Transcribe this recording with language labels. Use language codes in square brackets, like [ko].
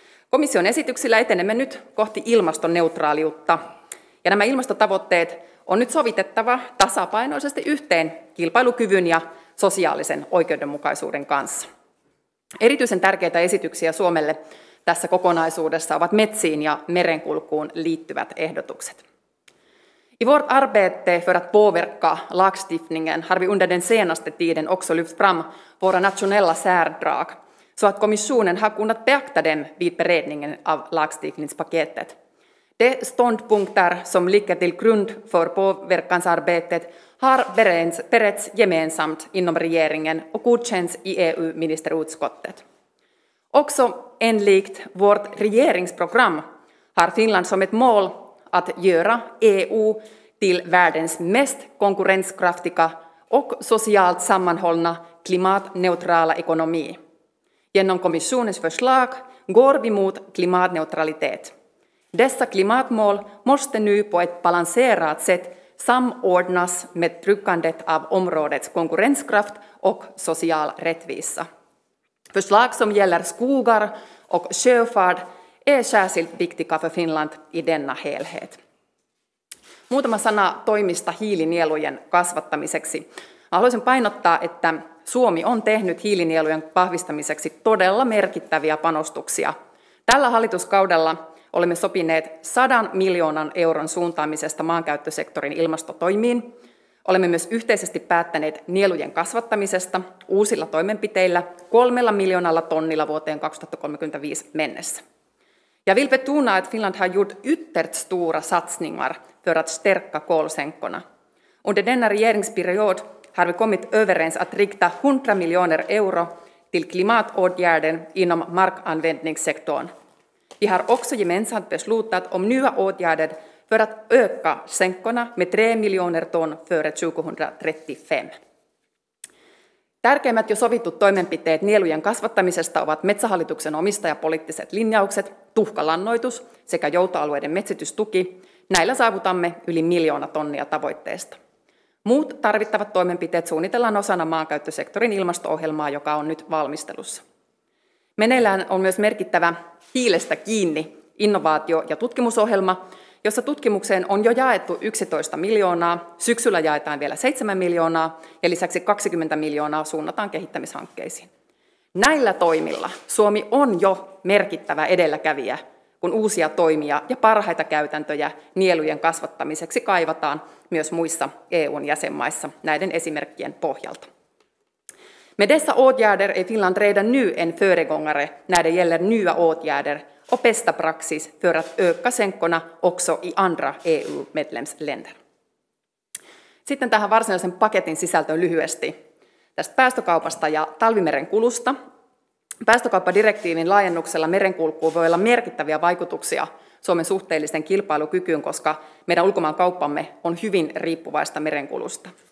[fi] Komission esityksillä etenemme nyt kohti ilmastoneutraaliutta, ja nämä ilmastotavoitteet on nyt sovitettava tasapainoisesti yhteen kilpailukyvyn ja sosiaalisen oikeudenmukaisuuden kanssa. Erityisen tärkeitä esityksiä Suomelle tässä kokonaisuudessa ovat metsiin ja merenkulkuun liittyvät ehdotukset. [sv] I vårt arbete för att påverka lagstiftningen har vi under den senaste tiden också lyft fram våra nationella särdrag, så att kommissionen har kunnat beakta dem vid beredningen av lagstiftningspaketet. De ståndpunkter som ligger till grund för påverkansarbetet har beretts gemensamt inom regeringen och godkänts i EU-ministerutskottet. Också enligt vårt regeringsprogram har Finland som ett mål att göra EU till världens mest konkurrenskraftiga och socialt sammanhållna klimatneutrala ekonomi. Genom kommissionens förslag går vi mot klimatneutralitet. Dessa klimatmål måste nu på ett balanserat sätt samordnas med tryckandet av områdets konkurrenskraft och social rättvisa. Förslag som gäller skogar och sjöfart är särskilt viktiga för Finland i denna helhet. [fi] Muutama sana toimista hiilinielujen kasvattamiseksi. Haluaisin painottaa, että Suomi on tehnyt hiilinielujen vahvistamiseksi todella merkittäviä panostuksia. Tällä hallituskaudella olemme sopineet 100 miljoonan euron suuntaamisesta maankäyttösektorin ilmastotoimiin. Olemme myös yhteisesti päättäneet nielujen kasvattamisesta uusilla toimenpiteillä 3 miljoonalla tonnilla vuoteen 2035 mennessä. [sv] Jag vill betona att Finland har gjort ytterst stora satsningar för att stärka kolsänkorna. Under denna regeringsperiod har vi kommit överens att rikta 100 miljoner euro till klimatåtgärden inom markanvändningssektorn. Vi har också gemensamt beslutat om nya åtgärder för att öka sänkorna med 3 miljoner ton före 2035. [fi] Tärkeimmät jo sovittu toimenpiteet nielujen kasvattamisesta ovat Metsähallituksen omistajapoliittiset linjaukset, tuhkalannoitus sekä joutoalueiden metsitystuki. Näillä saavutamme yli 1 000 000 tonnia tavoitteesta. Muut tarvittavat toimenpiteet suunnitellaan osana maankäyttösektorin ilmasto-ohjelmaa, joka on nyt valmistelussa. Meneillään on myös merkittävä hiilestä kiinni innovaatio- ja tutkimusohjelma, jossa tutkimukseen on jo jaettu 11 miljoonaa, syksyllä jaetaan vielä 7 miljoonaa ja lisäksi 20 miljoonaa suunnataan kehittämishankkeisiin. Näillä toimilla Suomi on jo merkittävä edelläkävijä, kun uusia toimia ja parhaita käytäntöjä nielujen kasvattamiseksi kaivataan myös muissa EU:n jäsenmaissa näiden esimerkkien pohjalta. [sv] Med dessa åtgärder är Finland redan nu en föregångare när det gäller nya åtgärder och bästa praxis för att öka sänkorna också i andra EU-medlemsländer. [fi] Sitten tähän varsinaisen paketin sisältöön lyhyesti tästä päästökaupasta ja talvimeren kulusta. Päästökauppadirektiivin laajennuksella merenkulkuun voi olla merkittäviä vaikutuksia Suomen suhteellisen kilpailukykyyn, koska meidän ulkomaankauppamme on hyvin riippuvaista merenkulusta.